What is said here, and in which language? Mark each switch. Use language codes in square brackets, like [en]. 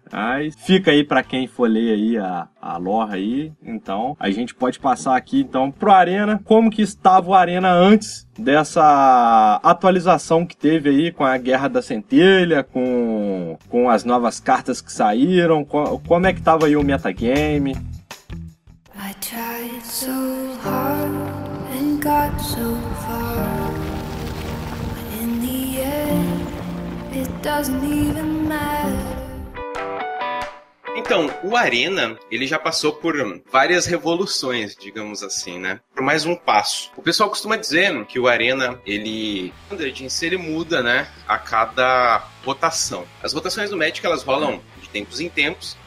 [pt] Mas fica aí pra quem for ler aí a lore aí. Então, a gente pode passar aqui, então, pro Arena. Como que estava o Arena antes dessa atualização que teve aí com a Guerra da Centelha, com as novas cartas que saíram, como é que estava aí o metagame? [en] I tried so hard and got so far, but in the end, it doesn't even matter. [pt] Então, o Arena, ele já passou por várias revoluções, digamos assim, né? Por mais um passo. O pessoal costuma dizer que o Arena, ele anda de inserir e muda, né? A cada rotação. As rotações do Magic, elas rolam de tempos em tempos.